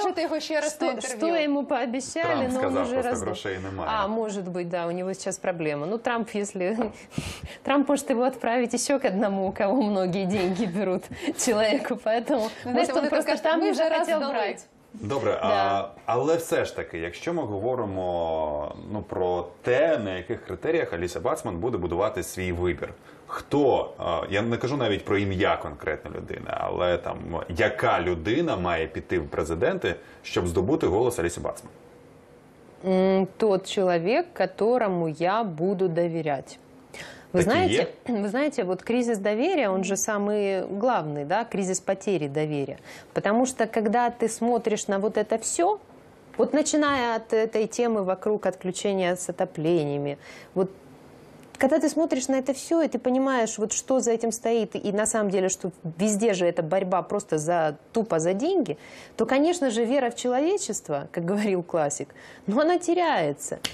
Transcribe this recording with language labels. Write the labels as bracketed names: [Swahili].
[Russian] Запрошу его еще раз на интервью. Что ему пообещали, Трамп но он уже раз... [Ukrainian] грошей немає. [Russian] А, может быть, да, у него сейчас проблема. Ну, Трамп, если... Трамп может его отправить еще к одному, у кого многие деньги берут человеку, поэтому... Может, он просто там уже хотел брать. [Ukrainian] Добре, да. Але все ж таки, якщо ми говоримо ну, про те, на яких критеріях Аліса Бацман буде будувати свій вибір, хто, я не кажу навіть про ім'я конкретної людини, але там, яка людина має піти в президенти, щоб здобути голос Аліси Бацман? [Russian] Тот [Ukrainian] чоловік, [Russian] которому [Ukrainian] я буду довіряти. [Russian] Вы знаете, вот кризис доверия, он же самый главный, да, кризис потери доверия. Потому что, когда ты смотришь на вот это все, вот начиная от этой темы вокруг отключения с отоплениями, вот когда ты смотришь на это все, и ты понимаешь, вот что за этим стоит, и на самом деле, что везде же эта борьба просто за тупо за деньги, то, конечно же, вера в человечество, как говорил классик, ну, она теряется.